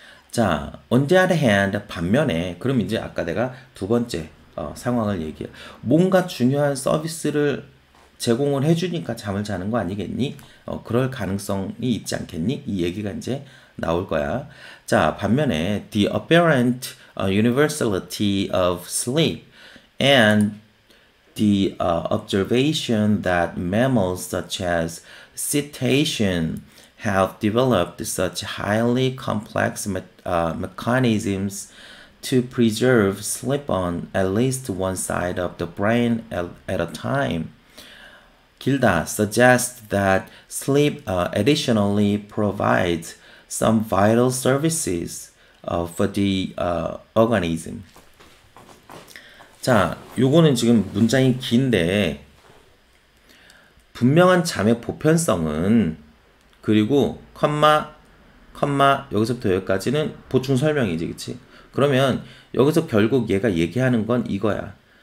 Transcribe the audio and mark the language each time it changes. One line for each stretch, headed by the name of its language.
Korean: 자,
English: on the other hand,
Korean: 반면에, 그럼 이제 아까 내가 두 번째 상황을 얘기해. 뭔가 중요한 서비스를 제공을 해주니까 잠을 자는 거 아니겠니? 그럴 가능성이 있지 않겠니? 이 얘기가 이제 나올 거야. 자, 반면에,
English: the apparent universality of sleep and the observation that mammals such as cetacean have developed such highly complex mechanisms to preserve sleep on at least one side of the brain at a time.
Korean: 길다
English: suggests that sleep additionally provides some vital services for the organism.
Korean: 자, 요거는 지금 문장이 긴데, 분명한 잠의 보편성은, 그리고 컴마 여기서부터 여기까지는 보충 설명이지, 그치? 그러면 여기서 결국 얘가 얘기하는 건 이거야.